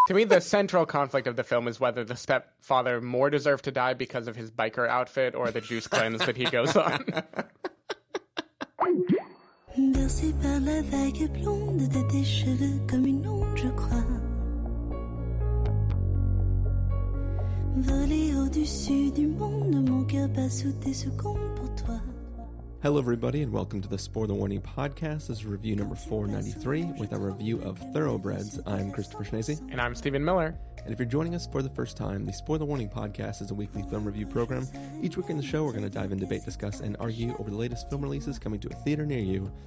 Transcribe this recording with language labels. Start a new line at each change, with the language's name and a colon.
English: To me, the central conflict of the film is whether the stepfather more deserved to die because of his biker outfit or the juice cleanse that he goes on.
French: Bercé par la vague blonde de tes cheveux comme une onde, je crois. Volé au-dessus du monde, mon cœur bat sous tes secondes pour toi.
English: Hello, everybody, and welcome to the Spoiler Warning Podcast. This is review number 493 with a review of Thoroughbreds. I'm Christopher Schnese. And I'm Stephen Miller. And if you're joining us for the first time, the Spoiler Warning Podcast is a weekly film review program. Each week in the show, we're going to dive in, debate, discuss, and argue over the latest film releases coming to a theater near you.